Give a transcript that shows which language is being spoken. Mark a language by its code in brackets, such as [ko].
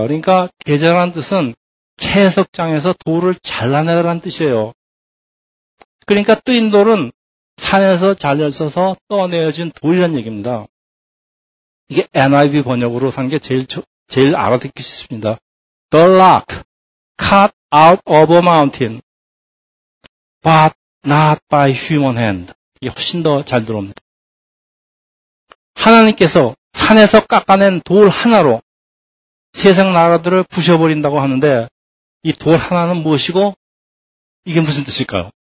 [ko] 그러니까 게자라는 뜻은 채석장에서 돌을 잘라내라는 뜻이에요. 그러니까 뜨인 돌은 산에서 잘려서 떠내어진 돌이란 얘기입니다. 이게 NIV 번역으로 산 게 제일 알아듣기 쉽습니다. [en] The rock cut out of a mountain, but not by human hand. [ko] 이게 훨씬 더 잘 들어옵니다. 하나님께서 산에서 깎아낸 돌 하나로 세상 나라들을 부셔버린다고 하는데 이 돌 하나는 무엇이고 이게 무슨 뜻일까요?